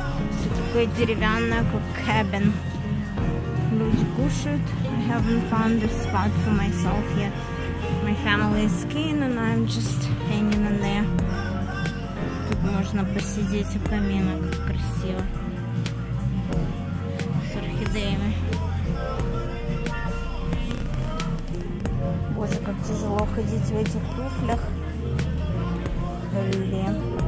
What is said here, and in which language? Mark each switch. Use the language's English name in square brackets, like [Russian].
[Russian] Все такое деревянное, как cabin. Люди кушают. [English] I haven't found a spot for myself yet. My family is skiing and I'm just hanging in there. [Russian] Тут можно посидеть у камина, как красиво. С орхидеями. Боже, как тяжело ходить в этих туфлях. Блин.